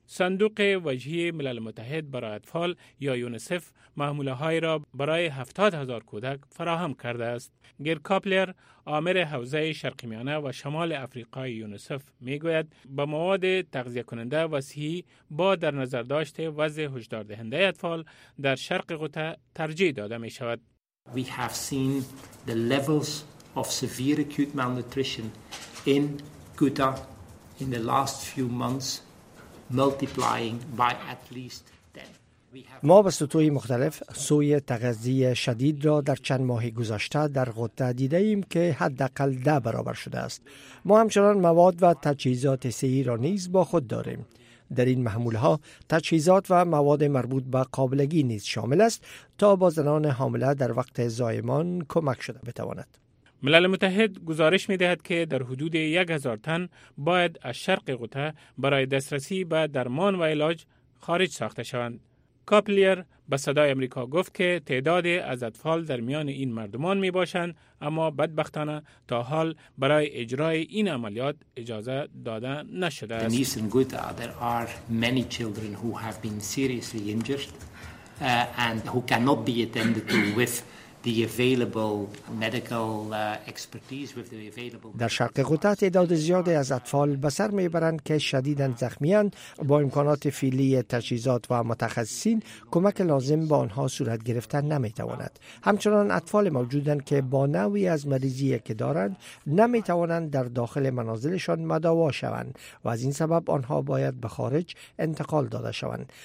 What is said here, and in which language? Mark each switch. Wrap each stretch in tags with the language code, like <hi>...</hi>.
<fa>صندوق وجهی ملل متحد برای اطفال یا یونیسف محموله‌های را برای 70 هزار کودک فراهم کرده است. گیر کاپلر، آمر حوزه شرق میانه و شمال افریقای یونیسف میگوید با مواد تغذیه کننده و صحی با در نظر داشت وضع هشدار دهنده اطفال در شرق غوطه ترجیح داده می شود.</fa> <en>We have seen the levels of severe acute malnutrition in Ghouta in the last few months multiplying by at least.</en> <fa>ما به سطوح مختلف سوی تغذیه شدید را در چند ماه گذشته در غوطه دیده ایم که حداقل 10 برابر شده است. ما همچنان مواد و تجهیزات صحی را نیز با خود داریم. در این محموله ها تجهیزات و مواد مربوط به قابلگی نیز شامل است تا با زنان حامله در وقت زایمان کمک شده بتواند. ملل متحد گزارش می دهد که در حدود 1000 تن باید از شرق غوطه برای دسترسی به درمان و علاج خارج ساخته شوند. کاپلیر به صدای امریکا گفت که تعداد از اطفال در میان این مردمان می باشند، اما بدبختانه تا حال برای اجرای این عملیات اجازه داده نشده است.</fa> <en>In Eastern Ghouta, there are many children who have been seriously injured and who cannot be attended to with the available medical expertise with the available.</en> <fa>در شرق غوطه تعداد زیادی از اطفال به سر میبرند که شدیداً زخمی‌اند. با امکانات فعلی تجهیزات و متخصصین کمک لازم به آنها صورت گرفتن نمیتواند. همچنان اطفال موجودند که با نوعی از مریضی که دارند نمیتوانند در داخل منازلشان مداوا شوند و از این سبب آنها باید به خارج انتقال داده شوند.</fa>